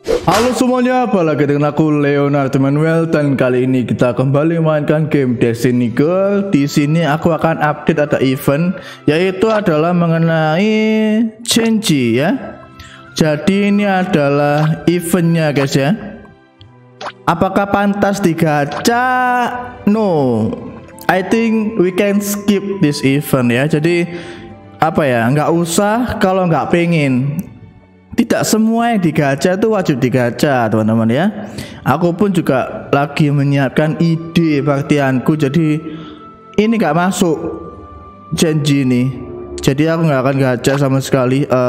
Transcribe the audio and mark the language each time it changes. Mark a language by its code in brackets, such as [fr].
[id] Halo semuanya, balik dengan aku Leonardo Manuel dan kali ini kita kembali memainkan game Destiny Girl. Di sini aku akan update ada event, yaitu adalah mengenai Chenji ya. Jadi ini adalah eventnya guys ya. Apakah pantas digacha? [en] No, I think we can skip this event ya. [id] Jadi apa ya, nggak usah kalau nggak pengen. Tidak semua yang digacha itu wajib digacha, teman-teman ya. Aku pun juga lagi menyiapkan ide partianku. Jadi ini nggak masuk janji nih. Jadi aku nggak akan gacha sama sekali.